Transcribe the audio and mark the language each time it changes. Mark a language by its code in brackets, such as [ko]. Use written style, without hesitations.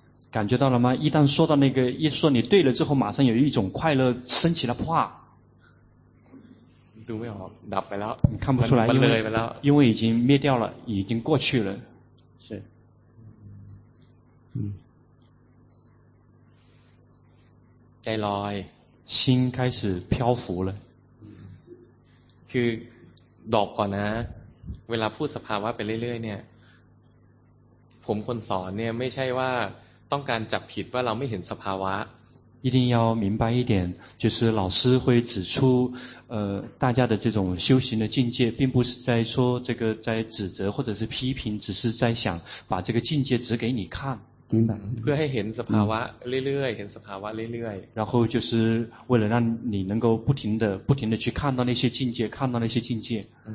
[zh] 感觉到了吗一旦说到那个一说你对了之后马上有一种快乐升起了啪 [th] ดูไม่ออกดับไปแล้ว [zh] 看不出来 [th] มันเลยไปแล้ว [zh] 因为已经灭掉了已经过去了是 [th] ใจลอย [zh] 心开始漂浮了 [th] คือดอกก่อนนะเวลาพูดสภาวะไปเรื่อยๆเนี่ยผมคนสอนเนี่ยไม่ใช่ว่าต้องการจับผิดว่าเราไม่เห็นสภาวะ [zh] 一定要明白一点就是老师会指出大家的这种修行的境界并不是在说这个在指责或者是批评只是在想把这个境界指给你看明白 [th] เพื่อให้เห็นสภาวะเรื่อยๆเห็นสภาวะเรื่อย [zh] ๆ然后就是为了让你能够不停地去看到那些境界看到那些境界